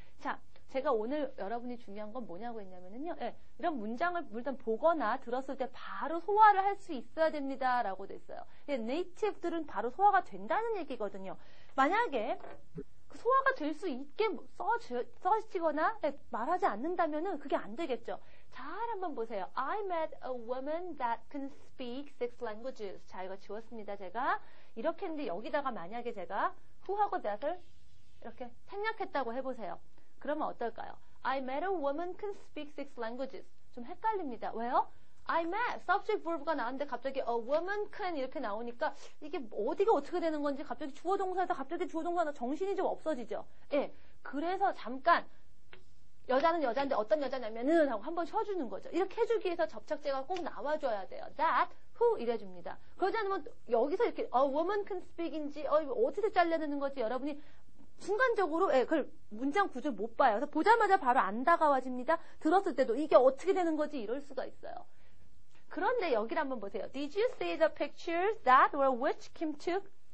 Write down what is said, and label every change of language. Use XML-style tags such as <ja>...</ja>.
<ko>자, 제가 오늘 여러분이 중요한 건 뭐냐고 했냐면요. 이런 문장을 일단 보거나 들었을 때 바로 소화를 할 수 있어야 됩니다. 라고 됐어요. 네이티브들은 바로 소화가 된다는 얘기거든요. 만약에 소화가 될 수 있게 써지거나 말하지 않는다면 그게 안 되겠죠. 잘 한번 보세요.</ko> <en>I met a woman that can speak six languages.</en> <ko>자, 이거 지웠습니다. 제가 이렇게 했는데 여기다가 만약에 제가 who하고 that을 이렇게 생략했다고 해보세요. 그러면 어떨까요?</ko> <en>I met a woman can speak six languages.</en> <ko>좀 헷갈립니다. 왜요?</ko> <en>I met subject verb</en> <ko>가 나왔는데 갑자기</ko> <en>a woman can</en> <ko>이렇게 나오니까 이게 어디가 어떻게 되는 건지 갑자기 주어동사에서 갑자기 주어동사나 정신이 좀 없어지죠. 예, 그래서 잠깐 여자는 여자인데 어떤 여자냐면은 하고 한번 쉬어주는 거죠. 이렇게 해주기 위해서 접착제가 꼭 나와줘야 돼요. That, who 이래줍니다. 그러지 않으면 여기서 이렇게</ko> <en>a woman can speak</en> <ko>인지 어디서 잘려내는 거지 여러분이 순간적으로 그걸 문장 구조를 못 봐요. 그래서 보자마자 바로 안 다가와집니다. 들었을 때도 이게 어떻게 되는 거지 이럴 수가 있어요. 그런데 여기를 한번 보세요.</ko> <en>Did you see the pictures that were which Kim took?</en>